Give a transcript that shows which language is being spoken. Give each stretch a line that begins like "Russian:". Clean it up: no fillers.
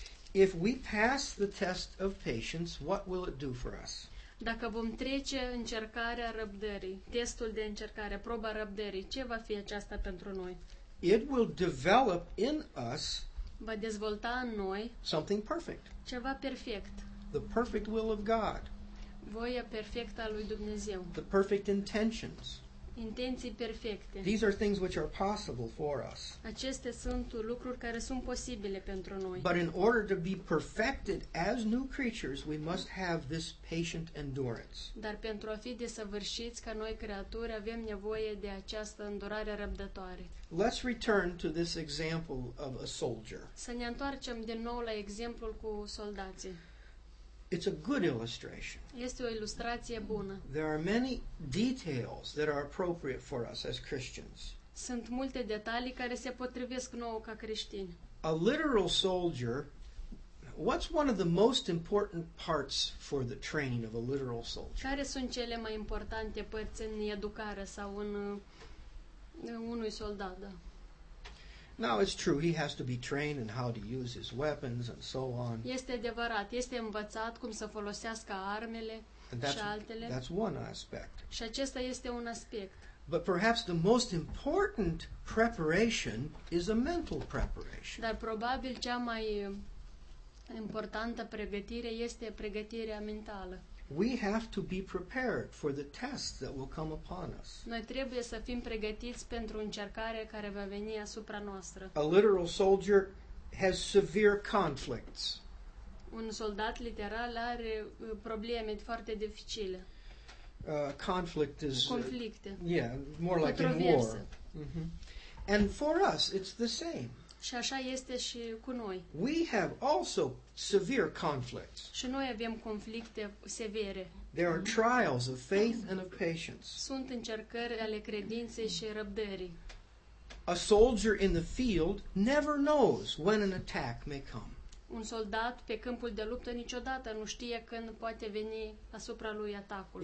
English: If we pass the test of patience, what will it do for us?
Romanian: Dacă vom trece încercarea răbdării, testul de încercare, proba răbdării, ce va fi aceasta pentru noi?
English: it will develop in us
Romanian: va dezvolta în noi
English: something perfect.
Romanian: Ceva perfect.
English: The perfect will of God.
Romanian: Voia perfectă a lui Dumnezeu.
English: The perfect intentions.
Romanian: Intenții perfecte.
English: These are things which are possible for us.
Romanian: Acestea sunt lucruri care sunt posibile pentru noi.
English: But in order to be perfected as new creatures, we must have this patient endurance.
Romanian: Dar pentru a fi desăvârșiți ca noi creaturi, avem nevoie de această îndurare răbdătoare.
English: Let's return to this example of a soldier.
Romanian: Să ne întoarcem din nou la exemplul cu soldații.
English: It's a good illustration.
Romanian: Este o ilustrație bună.
English: There are many details that are appropriate for us as Christians.
Romanian: Sunt multe detalii care se potrivesc nouă ca creștini.
English: A literal soldier, what's one of the most important parts for the training of a literal soldier?
Romanian: Care sunt cele mai importante părți în educare sau în unui soldat, da?
English: Now it's true he has to be trained in how to use his weapons and so on.
Romanian: Este adevărat, este învățat cum să folosească armele și altele.
English: That's one aspect.
Romanian: Și acesta este un aspect.
English: But perhaps the most important preparation is a mental preparation.
Romanian: Dar probabil cea mai importantă pregătire este pregătirea mentală.
English: We have to be prepared for the test that will come upon us.
Romanian: Noi trebuie să fim pregătiți pentru încercarea care va veni asupra noastră.
English: A literal soldier has severe conflicts.
Romanian: Un soldat literal are probleme foarte dificile.
English: Conflict is
Romanian: conflicte.
English: Yeah, more like in war. Mm-hmm. And for us it's the same.
Romanian: Și așa este și cu noi.
English: We have also severe conflicts.
Romanian: Și noi avem conflicte severe.
English: There are trials of faith and of patience.
Romanian: Sunt încercări ale credinței și răbdării.
English: A soldier in the field never knows when an attack may come.
Romanian: Un soldat pe câmpul de luptă niciodată nu știe când poate veni asupra lui atacul.